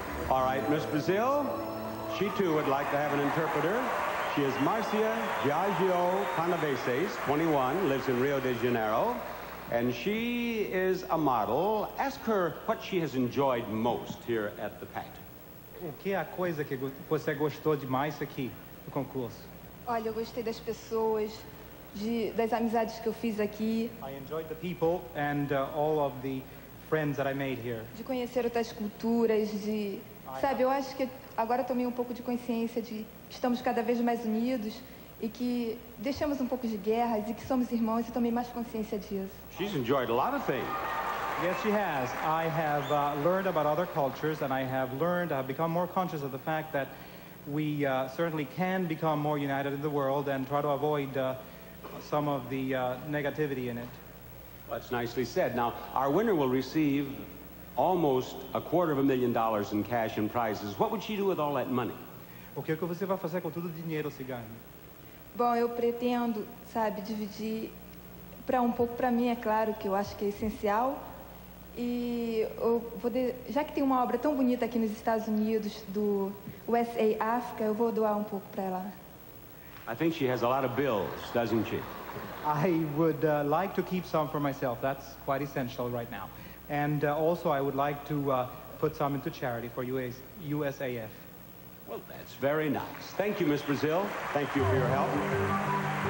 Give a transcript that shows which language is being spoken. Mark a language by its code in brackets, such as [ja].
[en] All right, Miss Brazil. She too would like to have an interpreter. She is Marcia Giagio Canaveses, 21, lives in Rio de Janeiro, and she is a model. Ask her what she has enjoyed most here at the pageant. [pt] O que é a coisa que você gostou demais aqui no concurso? Olha, eu gostei das pessoas, das amizades que eu fiz aqui. [en] I enjoyed the people and all of the friends that I made here. [pt] De conhecer outras culturas, sabe, eu acho que agora tomei um pouco de consciência de que estamos cada vez mais unidos e que deixamos um pouco de guerras e que somos irmãos e tomei mais consciência disso. [en] She's enjoyed a lot of things. Yes, she has. I have learned about other cultures and I have learned, I have become more conscious of the fact that we certainly can become more united in the world and try to avoid some of the negativity in it. Well, that's nicely said. Now, our winner will receive almost $250,000 in cash and prizes. What would she do with all that money? [pt] O que é que você vai fazer com todo o dinheiro, Cigarne? Bom, eu pretendo, sabe, dividir para um pouco para mim, é claro, que eu acho que é essencial. E eu vou já que tem uma obra tão bonita aqui nos Estados Unidos, do USA Africa, eu vou doar um pouco para ela. [en] I think she has a lot of bills, doesn't she? I would like to keep some for myself. That's quite essential right now. And also, I would like to put some into charity for USAF. Well, that's very nice. Thank you, Miss Brazil. Thank you for your help.